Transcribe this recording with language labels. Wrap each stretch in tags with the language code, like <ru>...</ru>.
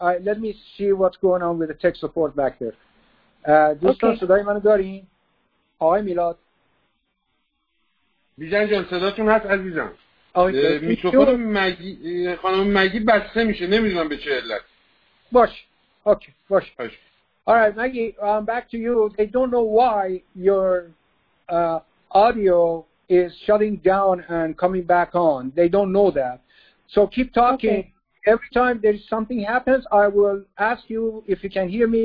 <en>Let me see what's going on with the tech support back there.</en> <fa>دوستان</fa> <en>okay.</en> <fa>صدای منو دارین؟ آقای میلاد بیژن جان صداتون هست عزیزم. آقای میکروفون مگی خانم مگی بسته میشه، نمیدونم به چه علت. باش. اوکی باش.</fa> <en>All right Maggie I'm back to you. They don't know why your audio is shutting down and coming back on. They don't know that. So keep talking. Okay. Every time there is something happens, I will ask you if you can hear me.</en>